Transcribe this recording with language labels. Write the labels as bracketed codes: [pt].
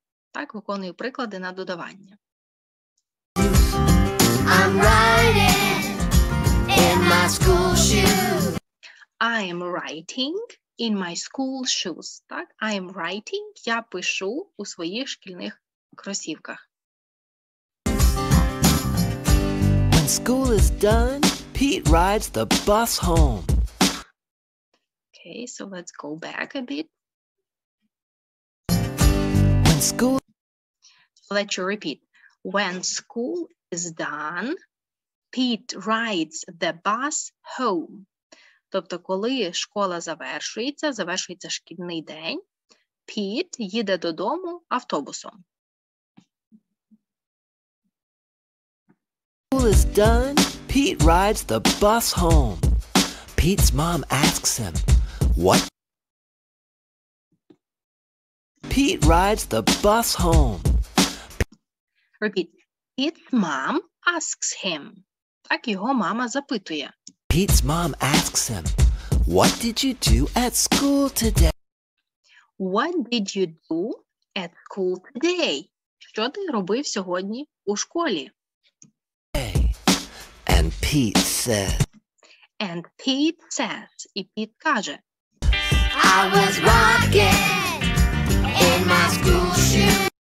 [uk] Так, виконую приклади на додавання. [en] I'm writing in my school shoes. I am writing in my school shoes. Так, I am writing. [uk] Я пишу у своїх шкільних кросівках. [en] When school is done, Pete rides the bus home. Okay, so let's go back a bit. When school. Let you repeat. When school is done, Pete rides the bus home. [uk] Тобто, коли школа завершується, завершується шкільний день, Pete їде додому автобусом. [en] School is done, Pete rides the bus home. Pete's mom asks him, what? Pete rides the bus home. Repeat. Pete's mom asks him. [uk] Так, його мама запитує. [en] Pete's mom asks him, what did you do at school today? What did you do at school today? [uk] Що ти робив сьогодні у школі? [en] Hey. And Pete says. And Pete says. [uk] І Pete каже. [en] I was rocking in my school shoes.